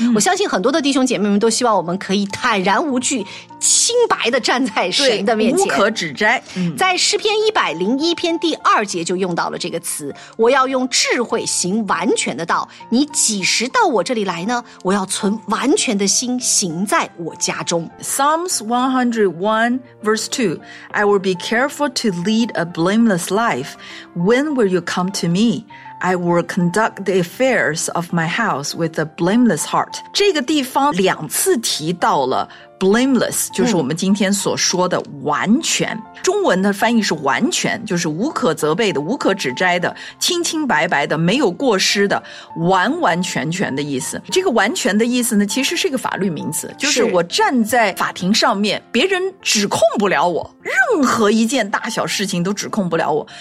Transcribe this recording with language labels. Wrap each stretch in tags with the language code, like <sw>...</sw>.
<zh>我相信很多的弟兄姐妹们都希望我们可以坦然无惧，清白的站在神的面前，无可指摘。在诗篇101篇第二节就用到了这个词，我要用智慧行完全的道，你几时到我这里来呢？我要存完全的心行在我家中。</zh> <en>Psalms 101 verse 2, I will be careful to lead a blameless life. When will you come to me? I will conduct the affairs of my house with a blameless heart.</en> <zh>这个地方两次提到了 blameless, 就是我们今天所说的完全。中文的翻译是完全，就是无可责备的、无可指摘的、清清白白的、没有过失的、完完全全的意思。这个完全的意思呢，其实是一个法律名词，就是我站在法庭上面，别人指控不了我，任何一件大小事情都指控不了我。</zh>